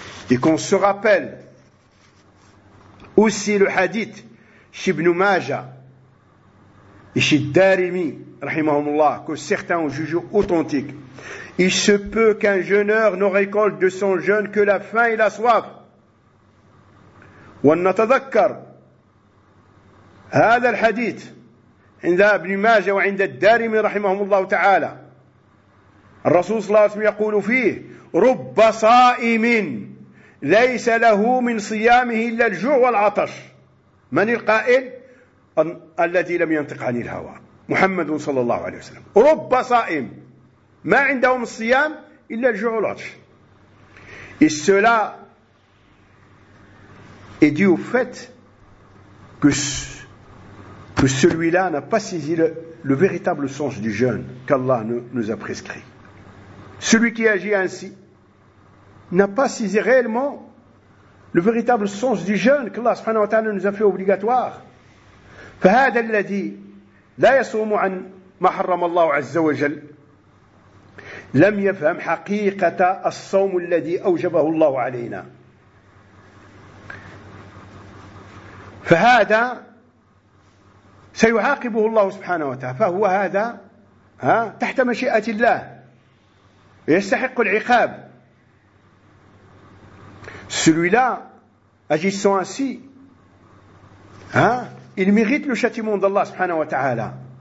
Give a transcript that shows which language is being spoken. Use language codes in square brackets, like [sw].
[fr] Et qu'on se rappelle aussi le hadith chez Ibn Majah et chez Darimi, rahimahumullah, que certains ont jugé authentique. Il se peut qu'un jeûneur ne récolte de son jeûne que la faim et la soif. [ar] ونتذكر هذا الحديث عند ابن ماجه وعند الدارمي رحمهم الله تعالى الرسول صلى الله عليه وسلم يقول فيه رب صائم ليس له من صيامه إلا الجوع والعطش من القائل الذي لم ينطق عن الهوى محمد صلى الله عليه وسلم رب صائم ما عنده من الصيام إلا الجوع والعطش السلاء [fr] est dû au fait que celui-là n'a pas saisi le véritable sens du jeûne qu'Allah nous a prescrit. Celui qui agit ainsi n'a pas saisi réellement le véritable sens du jeûne qu'Allah subhanahu wa ta'ala nous a fait obligatoire. [ar] فهذا الذي لا يصوم عن ما حرم الله عز وجل لم يفهم حقيقة الصوم الذي أوجبه الله علينا. فهذا سيعاقبه الله سبحانه وتعالى فهو هذا ها تحت مشيئة الله يستحق العقاب [fr] celui-là agissant ainsi ها il mérite le châtiment d'Allah [ar] سبحانه وتعالى